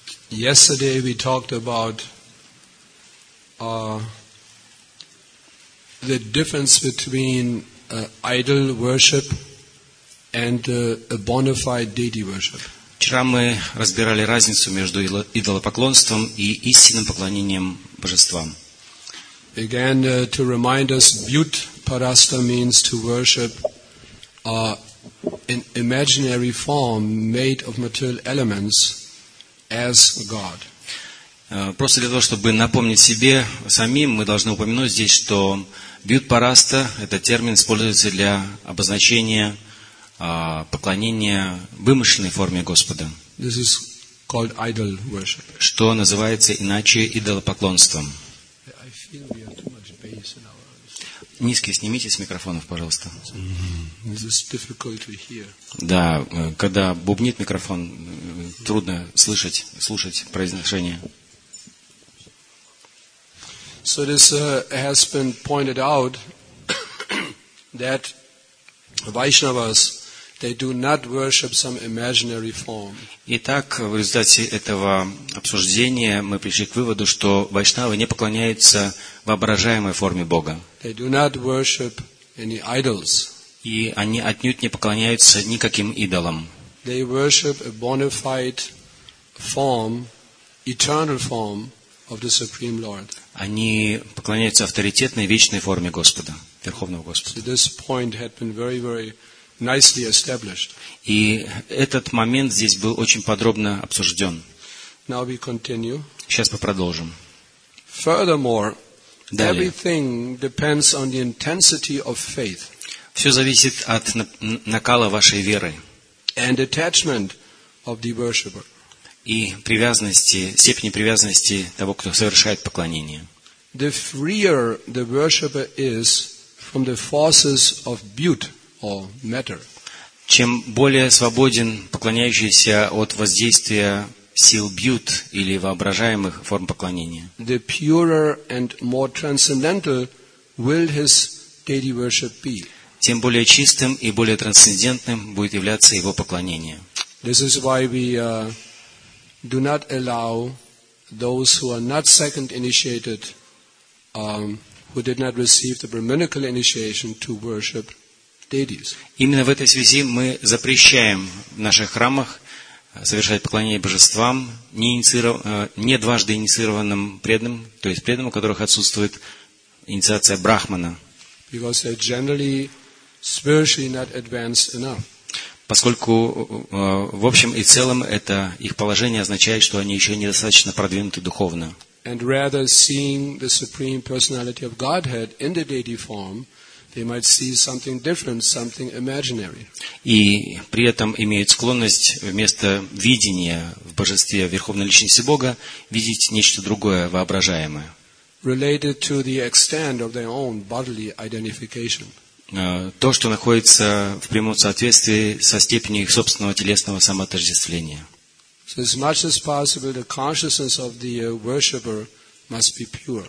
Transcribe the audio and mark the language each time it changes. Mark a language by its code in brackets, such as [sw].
[en] Yesterday we talked about the difference between idol worship and bona fide deity worship. [ru] Вчера мы разбирали разницу между идолопоклонством и истинным поклонением божествам. [en] Again, to remind us, but parasta means to worship an imaginary form made of material elements as God. [ru] Просто для того, чтобы напомнить себе самим, мы должны упомянуть здесь, что бьют-параста – это термин, используется для обозначения поклонения вымышленной форме Господа. [en] This is called idol worship. [ru] Что называется иначе идолопоклонством. [en] I feel we have too much bass in our... [ru] Низкие снимите с микрофонов, пожалуйста. [en] Mm-hmm. This is difficult to hear. [ru] Да, когда бубнит микрофон, трудно слушать произношение. [en] So this has been pointed out that Vaishnavas, they do not worship some imaginary form. [ru] Итак, в результате этого обсуждения мы пришли к выводу, что вайшнавы не поклоняются воображаемой форме Бога. [en] They do not worship any idols. [ru] И они отнюдь не поклоняются никаким идолам. [en] They worship a bona fide form, eternal form of the Supreme Lord. [ru] Они поклоняются авторитетной вечной форме Господа, Верховного Господа. [en] This point had been very, very nicely established. [ru] И этот момент здесь был очень подробно обсужден. [en] Now we continue. [ru] Сейчас мы продолжим. [en] Furthermore, [ru] далее. [en] Everything depends on the intensity of faith. [ru] Все зависит от накала вашей веры. [en] And attachment of the worshipper. [ru] И привязанности, степени привязанности того, кто совершает поклонение. [en] The freer the worshipper is from the forces of butte or matter. [ru] Чем более свободен поклоняющийся от воздействия сил бьют или воображаемых форм поклонения, [en] the purer and more transcendental will his deity worship be. [ru] Тем более чистым и более трансцендентным будет являться его поклонение. [en] This is why we do not allow those who are not second initiated, who did not receive the brahminical initiation, to worship deities. [ru] Именно в этой связи мы запрещаем в наших храмах совершать поклонение божествам, не дважды инициированным преданным, то есть преданным, у которых отсутствует инициация брахмана. [en] Because they're generally spiritually not advanced enough. [ru] Поскольку, в общем и целом, это их положение означает, что они еще недостаточно продвинуты духовно. [en] And rather seeing the Supreme Personality of Godhead in the deity form, they might see something different, something imaginary. [ru] И при этом имеют склонность вместо видения в божестве Верховной Личности Бога видеть нечто другое, воображаемое. [en] Related to the extent of their own bodily identification. [ru] То, что находится в прямом соответствии со степенью их собственного телесного самоотождествления. [en] So as much as possible, the consciousness of the worshipper must be pure.